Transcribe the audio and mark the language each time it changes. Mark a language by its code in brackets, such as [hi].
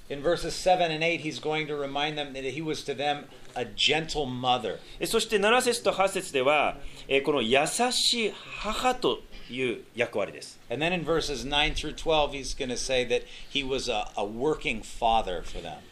[en] In verses 7 and 8, he's going to remind them that he was to them a gentle mother. [ja] そして7節と8節では、この優しい母という役割です。 [en] And then in verses 9 through 12, he's going to say that he was a working father for them.